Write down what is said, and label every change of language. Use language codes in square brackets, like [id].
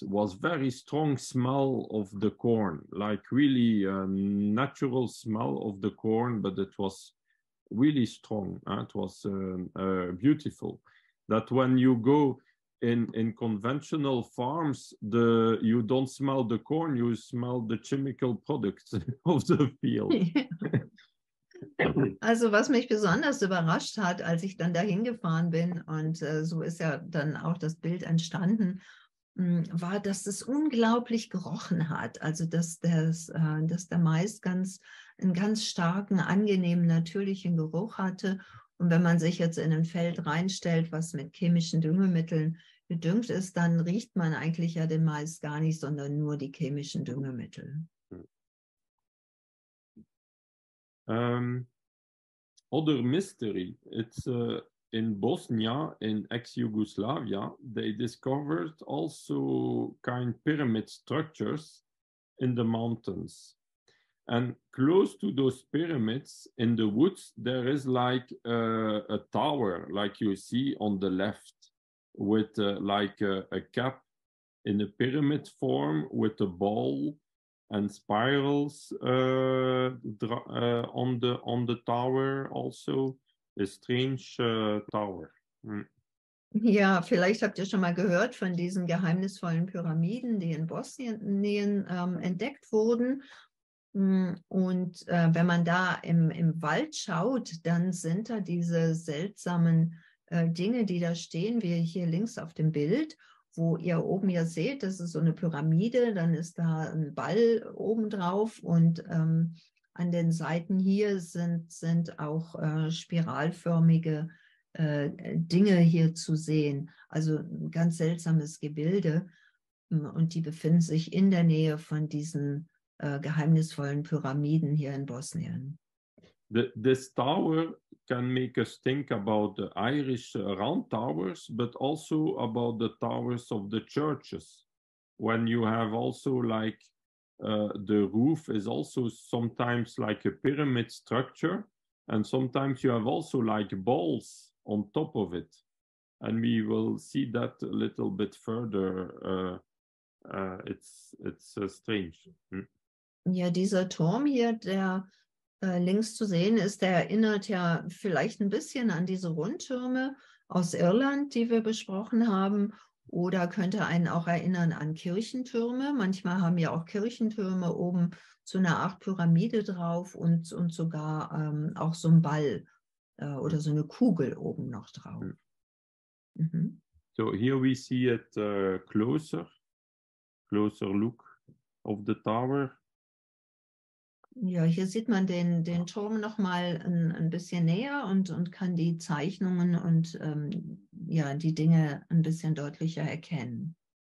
[en] It was very strong smell of the corn, like really a natural smell of the corn, but it was really strong. It was beautiful. That when you go in conventional farms, you don't smell the corn, you smell the chemical products of the field. [de] Also was mich besonders überrascht hat, als ich dann dahin gefahren bin, und so ist ja dann auch das Bild entstanden, war, dass es unglaublich gerochen hat. Also dass der Mais einen ganz starken, angenehmen, natürlichen Geruch hatte. Und wenn man sich jetzt in ein Feld reinstellt, was mit chemischen Düngemitteln gedüngt ist, dann riecht man eigentlich ja den Mais gar nicht, sondern nur die chemischen Düngemittel. [en] Other mystery, it's in Bosnia, in ex-Yugoslavia, they discovered also kind pyramid structures in the mountains. And close to those pyramids in the woods, there is like a tower, like you see on the left, with a cap in a pyramid form with a ball and spirals on the tower also. A strange tower. [de] Ja, vielleicht habt ihr schon mal gehört von diesen geheimnisvollen Pyramiden, die in Bosnien entdeckt wurden. Und wenn man da im Wald schaut, dann sind da diese seltsamen Dinge, die da stehen, wie hier links auf dem Bild, wo ihr oben ja seht, das ist so eine Pyramide, dann ist da ein Ball obendrauf und an den Seiten hier sind auch spiralförmige Dinge hier zu sehen. Also ein ganz seltsames Gebilde und die befinden sich in der Nähe von diesen geheimnisvollen Pyramiden hier in Bosnien. [en] This tower can make us think about the Irish round towers, but also about the towers of the churches. When you have also like the roof is also sometimes like a pyramid structure, and sometimes you have also like balls on top of it. And we will see that a little bit further. It's strange. [de] Ja, dieser Turm hier, der links zu sehen ist, der erinnert ja vielleicht ein bisschen an diese Rundtürme aus Irland, die wir besprochen haben, oder könnte einen auch erinnern an Kirchentürme. Manchmal haben ja auch Kirchentürme oben so eine Art Pyramide drauf und sogar auch so ein Ball oder so eine Kugel oben noch drauf. Mhm. [en] So, here we see it closer look of the tower. [de] Ja, hier sieht man den Turm noch mal ein bisschen näher und kann die Zeichnungen und die Dinge ein bisschen deutlicher erkennen.